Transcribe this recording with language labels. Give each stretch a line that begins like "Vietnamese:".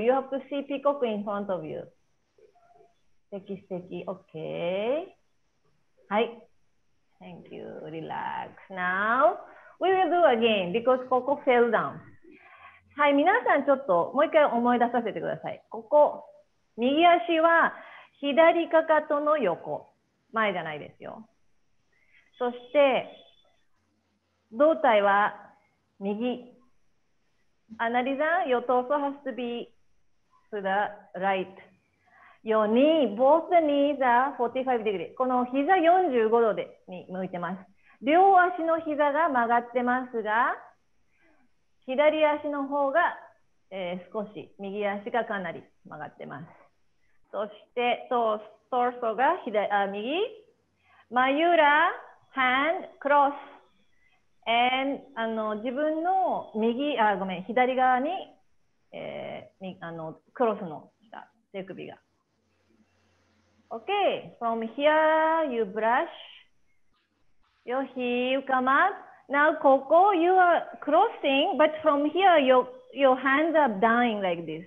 English: You have to see peacock in front of you.
Japanese: 素敵素敵。
English: Okay. はい。Thank you. Relax. Now, we will do again because Coco fell down.
Japanese: はい。皆さんちょっともう一回思い出させてください。ここ、右足は左かかとの横。前じゃないですよ。そして、胴体は右。
English: Analisa, your torso has to be to the right. Your knee, both the knees are 45 degrees.
Japanese: この膝45度でに向いてます。両足の膝が曲がってますが、左足の方が、少し、右足がかなり曲がってます。そして、torso が右。眉裏、
English: hand, cross.
Japanese: And, 自分の右、あ、ごめん、左側に、クロスの下、手首が。
English: Okay, from here, you brush your heel, come up. Now, Coco, you are crossing, but from here, your hands are dying like this.